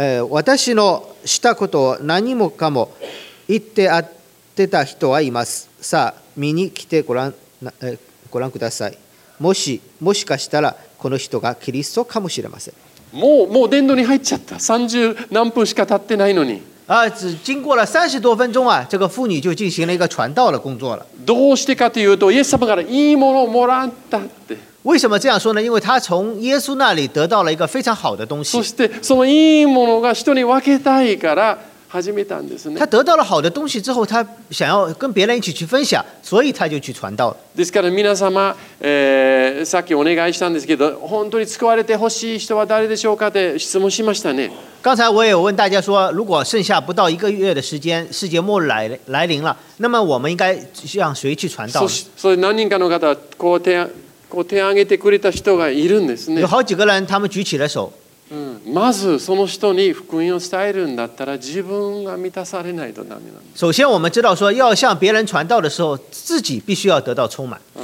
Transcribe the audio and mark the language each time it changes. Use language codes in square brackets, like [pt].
[ja] 私のしたことを何もかも言ってあってた人はいます。さあ、見に来てご覧ください。もしかしたら、この人がキリストかもしれません。もう殿堂に入っちゃった。三十何分しか経ってないのに。 [zh] 只经过了三十多分钟啊，这个妇女就进行了一个传道的工作了。 [ja] どうしてかというと、イエス様からいいものをもらったって。 [zh] 为什么这样说呢？因为他从耶稣那里得到了一个非常好的东西。 [ja] そしてそのいいものが人に分けたいから始めたんですね。 [zh] 他得到了好的东西之后，他想要跟别人一起去分享，所以他就去传道了。 [ja] ですから皆様、さっきお願いしたんですけど、本当に救われてほしい人は誰でしょうかって質問しましたね。 [zh] 刚才我也问大家说，如果剩下不到一个月的时间，世界末日来临了，那么我们应该向谁去传道？所以 [ja] 何人かの方こう手を挙げてくれた人がいるんですね。 [zh] 有好几个人，他们举起了手。 [ja] まずその人に福音を伝えるんだったら自分が満たされないとダメなんです。 [zh] 首先我们知道说要向别人传道的时候自己必须要得到充满。